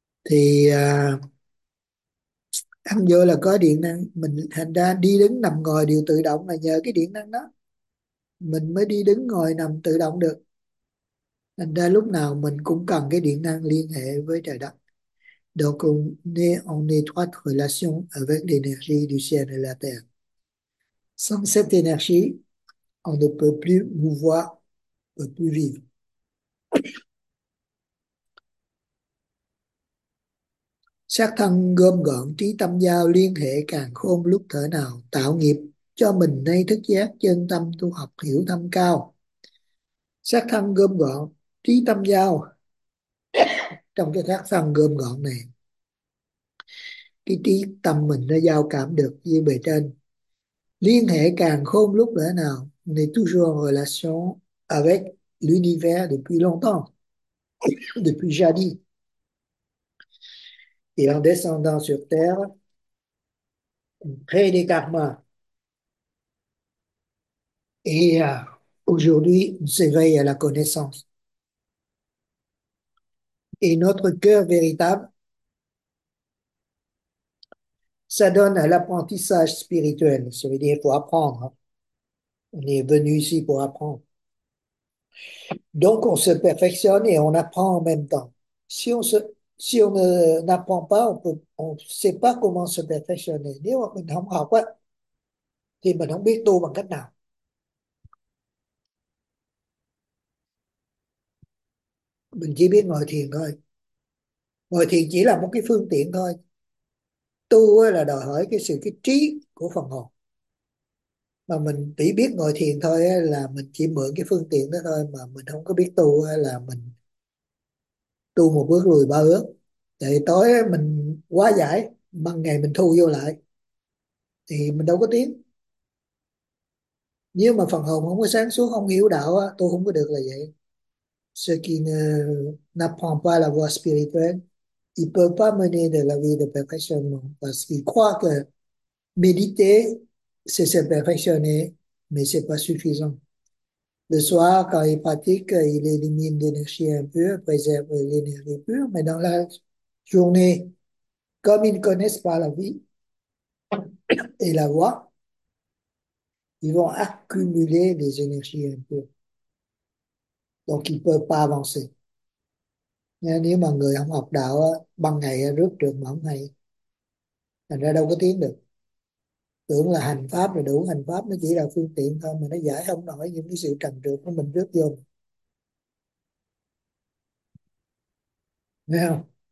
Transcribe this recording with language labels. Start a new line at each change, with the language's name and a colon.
Vietnamese: Thì ăn vô là có điện năng, mình thành ra đi đứng nằm ngồi đều tự động là nhờ cái điện năng đó. Mình mới đi đứng ngồi nằm tự động được. Thành ra lúc nào mình cũng cần cái điện năng liên hệ với trời đất.
French: Donc on est étroite relation avec l'énergie du ciel et de la terre. Sans cette énergie, on ne peut plus mouvoir, on ne peut plus vivre.
Vietnamese: Xác thân gom gọn trí tâm giao liên hệ càn khôn lúc thở nào tạo nghiệp cho mình nay thức giác chân tâm tu học hiểu thâm cao. Xác thân gom gọn trí tâm giao trong cái xác thân gom gọn này, cái trí tâm mình nó giao cảm được với bề trên, liên hệ càn khôn lúc thở nào này
French: toujours en relation avec l'univers depuis longtemps, depuis jadis. Et en descendant sur Terre, on crée des karmas. Et aujourd'hui, on s'éveille à la connaissance. Et notre cœur véritable s'adonne à l'apprentissage spirituel. Ça veut dire qu'il faut apprendre. On est venu ici pour apprendre. Donc, on se perfectionne et on apprend en même temps. Si on n'apprend pas, on sait pas comment se perfectionner.
Vietnamese: Nếu mà mình không học á, thì mình không biết tu bằng cách nào. Mình chỉ biết ngồi thiền thôi. Ngồi thiền chỉ là một cái phương tiện thôi. Tu là đòi hỏi cái sự cái trí của phần hồn. Mà mình chỉ biết ngồi thiền thôi là mình chỉ mượn cái phương tiện đó thôi, mà mình không có biết tu là mình tu một bước lùi ba bước. Thì tối mình quá giải, ban ngày mình thu vô lại thì mình đâu có tiến. Nếu mà phần hồn không có sáng suốt, không hiểu đạo á, tôi không có được là vậy.
French: Ceux qui n'apprennent pas la voie spirituelle, ils ne peuvent pas mener de la vie de perfectionnement parce qu'ils croient que méditer, c'est se perfectionner, mais ce n'est pas suffisant. Le soir, quand il pratique, il élimine l'énergie impure, préserve l'énergie pure, mais dans la journée, comme ils ne connaissent pas la vie et la voie, ils vont accumuler des énergies impures. Donc, ils ne peuvent pas avancer.
Vietnamese: Nếu mà người không học đạo ban ngày rước trường mà không hay, thành ra đâu có tiến được. Tưởng là hành pháp là đủ, hành pháp nó chỉ là phương tiện thôi mà nó giải không nổi những cái sự trần trược của mình rước vô, nghe không?